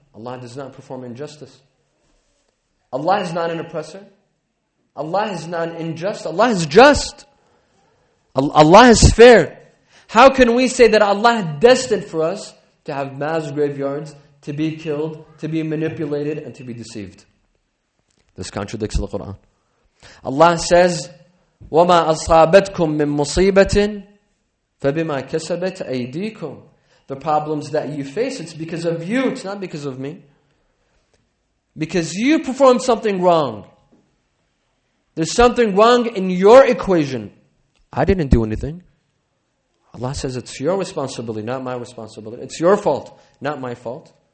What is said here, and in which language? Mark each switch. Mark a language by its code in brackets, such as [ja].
[en] Allah does not perform injustice. Allah is not an oppressor. Allah is not unjust. Allah is just. Allah is fair. How can we say that Allah destined for us to have mass graveyards, to be killed, to be manipulated, and to be deceived? This contradicts the Quran. Allah says, [ar] وَمَا أَصَابَتْكُم مِّن مُصِيبَةٍ فَبِمَا كَسَبَتْ أَيْدِيكُمْ. [en] The problems that you face, it's because of you, it's not because of me. Because you performed something wrong. There's something wrong in your equation. I didn't do anything. Allah says it's your responsibility, not my responsibility. It's your fault, not my fault.